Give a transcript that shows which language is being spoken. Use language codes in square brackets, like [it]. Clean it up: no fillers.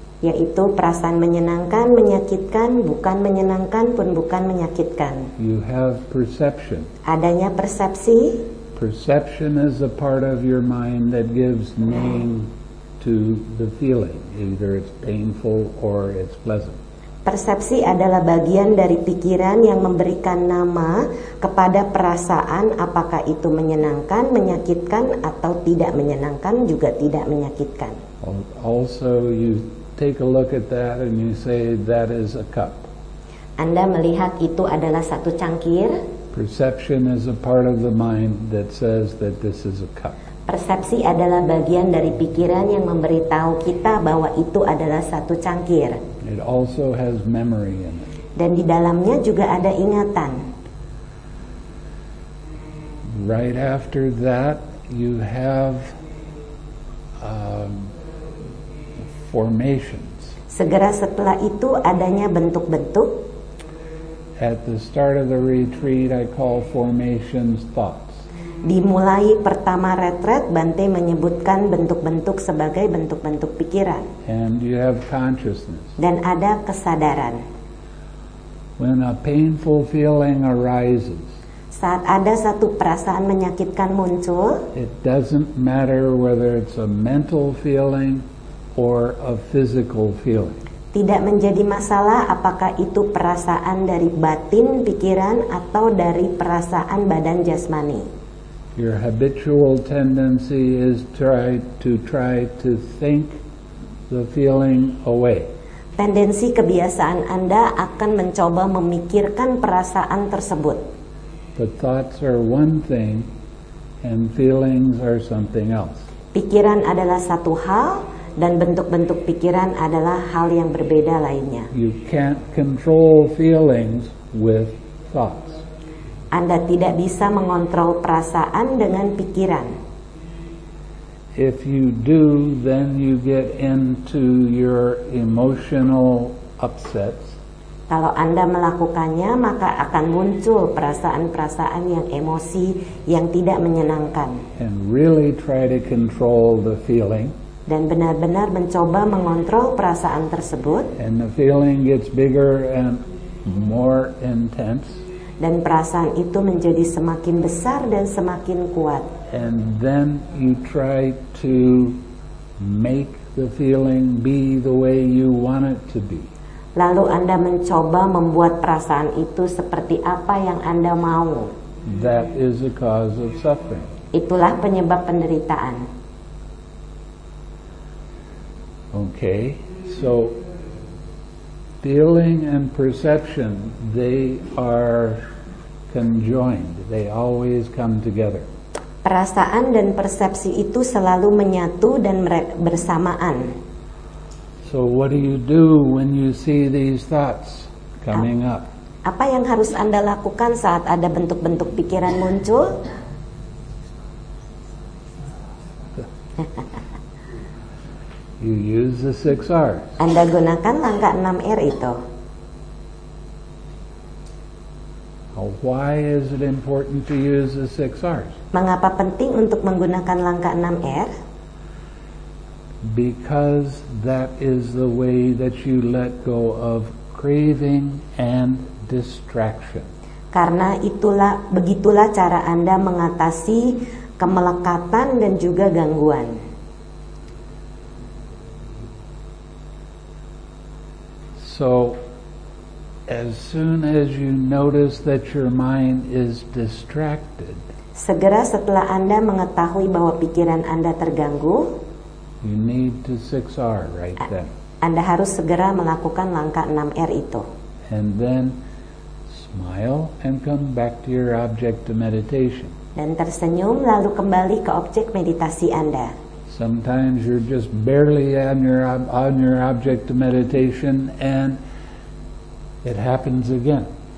[id] Yaitu perasaan menyenangkan, menyakitkan, bukan menyenangkan pun bukan menyakitkan. [en] You have perception. [id] Adanya persepsi. [en] Perception is a part of your mind that gives name to the feeling, either it's painful or it's pleasant. [id] Persepsi adalah bagian dari pikiran yang memberikan nama kepada perasaan, apakah itu menyenangkan, menyakitkan atau tidak menyenangkan, juga tidak menyakitkan. [en] Also you take a look at that and you say that is a cup. [id] Anda melihat itu adalah satu cangkir. [en] Perception is a part of the mind that says that this is a cup. [id] Persepsi adalah bagian dari pikiran yang memberitahu kita bahwa itu adalah satu cangkir. [en] It also has memory in it. [id] Dan di dalamnya juga ada ingatan. [en] Right after that you have formations. [id] Segera setelah itu adanya bentuk-bentuk. [en] At the start of the retreat I call formations thoughts. [id] Dimulai pertama retret, Bante menyebutkan bentuk-bentuk sebagai bentuk-bentuk pikiran. [en] And you have consciousness. [id] Dan ada kesadaran. [en] When a painful feeling arises. [id] Saat ada satu perasaan menyakitkan muncul. [en] It doesn't matter whether it's a mental feeling or a physical feeling. [id] Tidak menjadi masalah apakah itu perasaan dari batin pikiran atau dari perasaan badan jasmani. [en] Your habitual tendency is to try to think the feeling away. [id] Tendensi kebiasaan Anda akan mencoba memikirkan perasaan tersebut. [en] But thoughts are one thing and feelings are something else. [id] Pikiran adalah satu hal dan bentuk-bentuk pikiran adalah hal yang berbeda lainnya. [en] You can't control feelings with thoughts. [id] Anda tidak bisa mengontrol perasaan dengan pikiran. [en] If you do, then you get into your emotional upsets. [id] Kalau Anda melakukannya, maka akan muncul perasaan-perasaan yang emosi yang tidak menyenangkan. [en] And really try to control the feeling. [id] Dan benar-benar mencoba mengontrol perasaan tersebut. [en] And the feeling gets bigger and more intense. [id] Dan perasaan itu menjadi semakin besar dan semakin kuat. [en] And then you try to make the feeling be the way you want it to be. [id] Lalu Anda mencoba membuat perasaan itu seperti apa yang Anda mau. [en] That is a cause of suffering. [id] Itulah penyebab penderitaan. [en] Okay, so feeling and perception, they are conjoined. They always come together. [id] Perasaan dan persepsi itu selalu menyatu dan bersamaan. [en] So what do you do when you see these thoughts coming up? [id] Apa yang harus Anda lakukan saat ada bentuk-bentuk pikiran muncul? [en] You use the 6 R's. [id] Anda gunakan langkah 6 R itu. [en] Why is it important to use the 6 R's? [id] Mengapa penting untuk menggunakan langkah 6 R? [en] Because that is the way that you let go of craving and distraction. [id] Karena itulah, begitulah cara Anda mengatasi kemelekatan dan juga gangguan. [en] So, as soon as you notice that your mind is distracted, [id] segera setelah Anda mengetahui bahwa pikiran Anda terganggu, [en] you need to 6R right then. [id] Anda harus segera melakukan langkah 6R itu. [en] And then smile and come back to your object to meditation. [id] Dan tersenyum lalu kembali ke objek meditasi Anda. [en] Sometimes you're just barely on your object to meditation and it happens again.